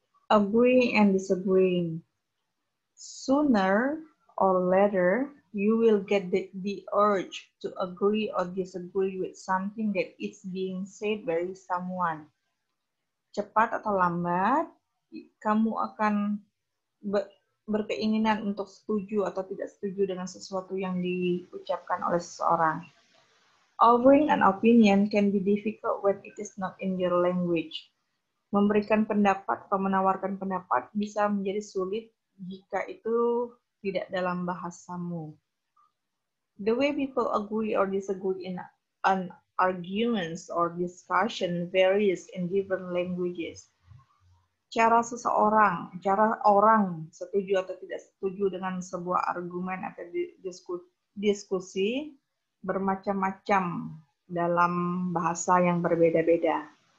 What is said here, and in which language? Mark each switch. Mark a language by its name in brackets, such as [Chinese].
[English] Agreeing and disagreeing. Sooner or later, you will get the urge to agree or disagree with something that is being said by someone. [Indonesian] Cepat atau lambat, kamu akan berkeinginan untuk setuju atau tidak setuju dengan sesuatu yang diucapkan oleh seseorang. [English] Offering an opinion can be difficult when it is not in your language. [Indonesian] Memberikan pendapat atau menawarkan pendapat bisa menjadi sulit jika itu tidak dalam bahasamu. [English] The way people agree or disagree in an arguments or discussion varies in different languages. [Indonesian] Cara orang setuju atau tidak setuju dengan sebuah argumen atau diskusi bermacam-macam dalam bahasa yang berbeda-beda.